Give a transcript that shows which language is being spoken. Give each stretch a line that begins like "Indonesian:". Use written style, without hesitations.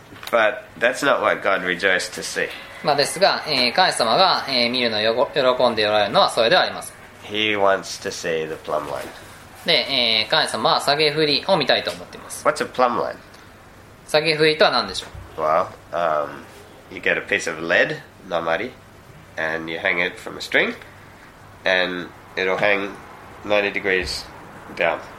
English: But that's not what God rejoiced to see.
Japanese: まあですが、神様が、見るのを喜んでおられるのはそれではありません。
English: He wants to see the plumb line.
Japanese: で、神様は下げ振りを見たいと思っています。
English: What's a plumb line?
Japanese: 下げ振りとは何でしょう？
English: Well, you get a piece of lead, nomari, and you hang it from a string, and it'll hang 90 degrees down.